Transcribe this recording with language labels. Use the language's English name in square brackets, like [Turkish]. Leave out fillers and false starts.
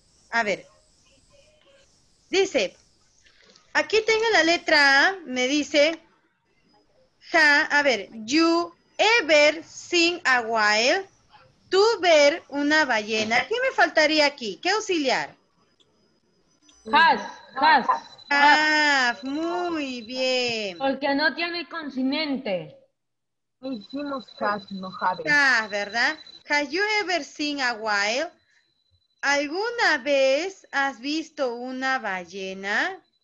[Spanish] A ver, dice, aquí tengo la letra A, me dice, ha, a ver, [English] you ever seen a whale, [Spanish] tú ver una ballena, ¿qué me faltaría aquí? ¿Qué auxiliar? [English] Has, has. [Spanish] Ah, muy bien. Porque no tiene continente. Hicimos has, no has. Has, ¿verdad? [English] Has you ever seen a whale? [Spanish] ¿Alguna vez has visto una ballena?